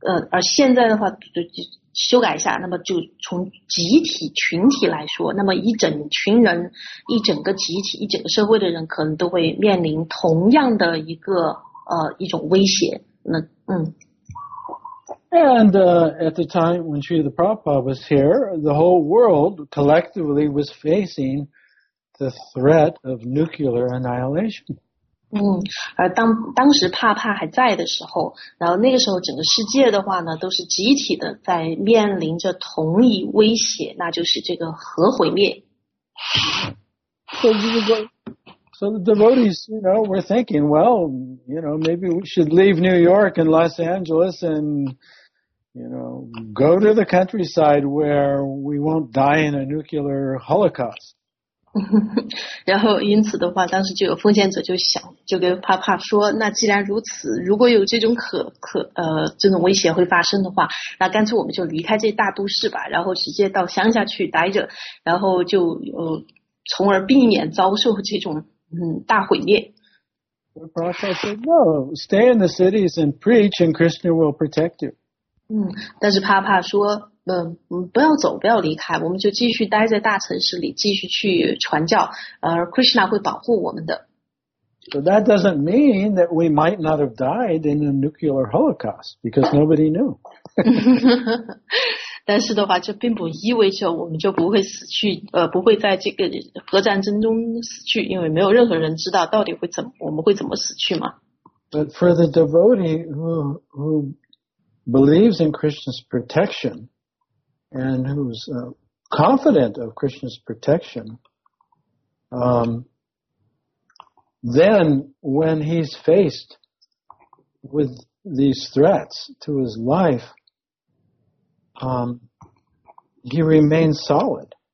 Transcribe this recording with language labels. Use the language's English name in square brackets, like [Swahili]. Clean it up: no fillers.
[Chinese] 而现在的话，修改一下，那么就从集体群体来说，那么一整群人，一整个集体，一整个社会的人，可能都会面临同样的一个一种威胁。 [English] And at the time when Srila Prabhupada was here, the whole world collectively was facing the threat of nuclear annihilation. [Chinese] 当时帕帕还在的时候，然后那个时候整个世界的话呢，都是集体的在面临着同一威胁，那就是这个核毁灭。 [English] So the devotees, you know, were thinking, well, you know, maybe we should leave New York and Los Angeles and... You know, go to the countryside where we won't die in a nuclear holocaust. [Chinese] 然后因此的话，当时就有奉献者就想，就跟帕帕说，那既然如此，如果有这种这种威胁会发生的话，那干脆我们就离开这大都市吧，然后直接到乡下去待着，然后就从而避免遭受这种大毁灭。 [English] The prophet said, "No, stay in the cities and preach, and Krishna will protect you." [Chinese] 但是帕帕说不要走，不要离开，我们就继续待在大城市里，继续去传教，而 Krishna 会保护我们的。 [English] So that doesn't mean that we might not have died in a nuclear holocaust, because nobody knew. [Chinese] 但是的话，这并不意味着我们就不会死去，不会在这个核战争中死去，因为没有任何人知道到底会怎么，我们会怎么死去吗？ [English] But for the devotee who believes in Krishna's protection and who's confident of Krishna's protection, then when he's faced with these threats to his life, he remains solid.